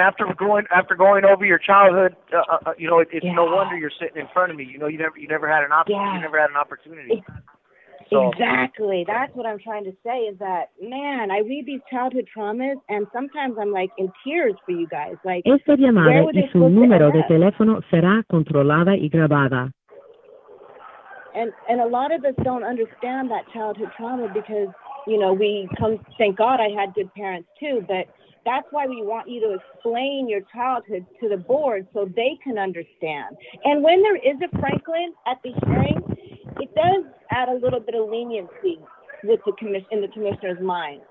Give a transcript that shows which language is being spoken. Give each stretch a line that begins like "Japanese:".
English: After going over your childhood, you know, it's no wonder you're sitting in front of me. You know, you never had an option. Yeah. You never had an opportunity." Exactly. That's what I'm trying to say. Is that, man? I read these childhood traumas, and sometimes I'm like in tears for you guys. Like,
Spanish: esta llamada y su número de teléfono será controlada y grabada.
English: And a lot of us don't understand that childhood trauma because, you know, we come, thank God I had good parents too, but that's why we want you to explain your childhood to the board so they can understand. And when there is a Franklin at the hearing, it does add a little bit of leniency with the in the commissioner's mind.